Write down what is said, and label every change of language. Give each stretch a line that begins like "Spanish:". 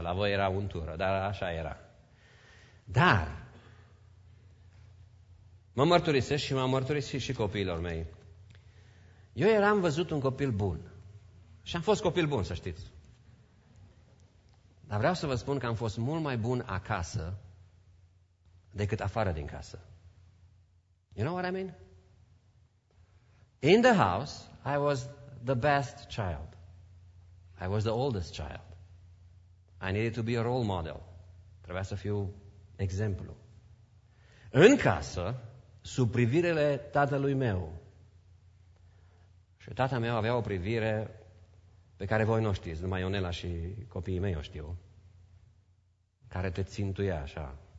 Romanian: La voi era untură, dar așa era. Dar mă mărturisesc și m-am mărturisit și copiilor mei. Eu eram văzut un copil bun. Și am fost copil bun, să știți. Dar vreau să vă spun că am fost mult mai bun acasă decât afară din casă.
English: You know what I mean? In the house, I was the best child. I was the oldest child. I needed to be a role model.
Romanian: Trebuia să fiu exemplu. În casă, sub privirile tatălui meu. Și tatăl meu avea o privire pe care voi nu știți, numai Ionela și copiii mei o știu, care te țintuia așa.